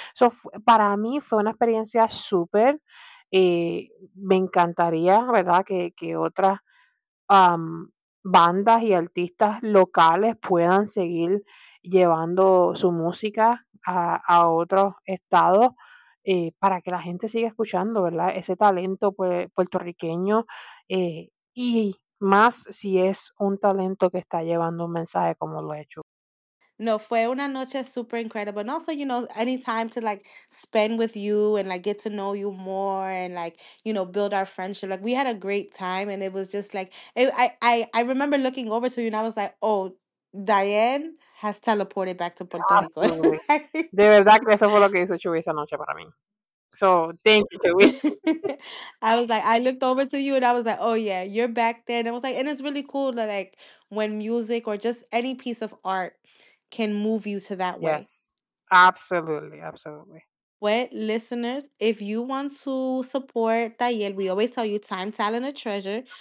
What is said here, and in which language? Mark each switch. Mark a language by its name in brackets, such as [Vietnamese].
[Spanish] Eso para mí fue una experiencia súper, me encantaría, ¿verdad?, que otras bandas y artistas locales puedan seguir llevando su música a otros estados, para que la gente siga escuchando, ¿verdad?, ese talento puertorriqueño, y más si es un talento que está llevando un mensaje como lo ha hecho. No, fue una noche super incredible. [English] And also, you know, any time to, like, spend with you and, like, get to know you more and, like, you know, build our friendship. Like, we had a great time, and it was just, like, I remember looking over to you, and I was like, oh, Diane has teleported back to Puerto Rico. [Spanish] De verdad que eso fue lo que hizo Chuy esa noche para mí. [English] So, thank you, Chuy. I was like, I looked over to you, and I was like, oh, yeah, you're back there. And I was like, and it's really cool that, like, when music or just any piece of art can move you to that way. Yes, absolutely, absolutely. Well, listeners, if you want to support Tayel, we always tell you time, talent, or treasure.